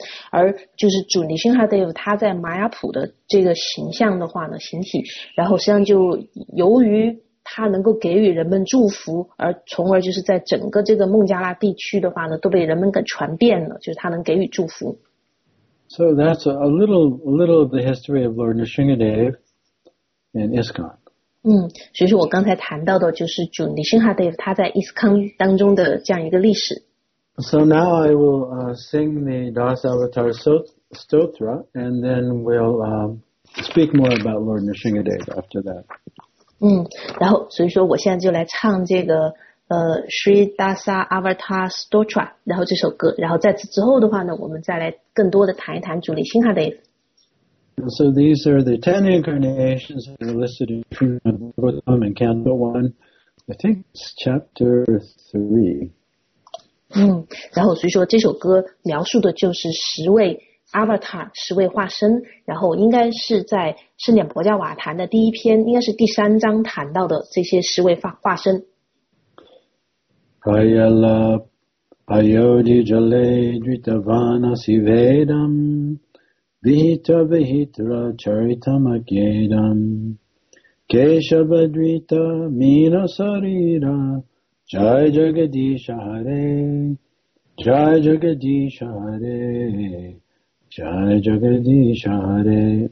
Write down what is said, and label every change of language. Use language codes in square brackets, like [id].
[zh] 而就是主尼辛哈德夫他在马雅普的这个形象的话呢，形体，然后实际上就由于他能够给予人们祝福，而从而就是在整个这个孟加拉地区的话呢，都被人们给传遍了，就是他能给予祝福。 [en] So that's a little of the history of Lord Nrsingadev in ISKCON. [zh] 所以说我刚才谈到的就是主尼辛哈德夫他在 ISKCON 当中的这样一个历史。 [en] So now I will sing the Das Avatar Stotra, and then we'll speak more about Lord Nrsingadev after that. [zh] 然后所以说我现在就来唱这个Sri Dasa Avatar Stotra, 然后这首歌，然后在此之后的话呢，我们再来更多的谈一谈主尼辛哈德夫。 [en] And so these are the 10 incarnations that are listed in Srimad Bhagavatam in Canto 1. I think it's chapter 3. [zh] 然后所以说这首歌描述的就是十位 avatar, 十位化身，然后应该是在圣典婆伽瓦谈的第一篇，应该是第三章谈到的这些十位化身。 [sa] Kayala Ayodhi Jale Dritavana Sivedam Vihita Vihitra Charitam Agedam Keshava Drita Mina Sarira Jai Jagadisha Hare Jai Jagadisha Hare Jai Jagadisha Hare.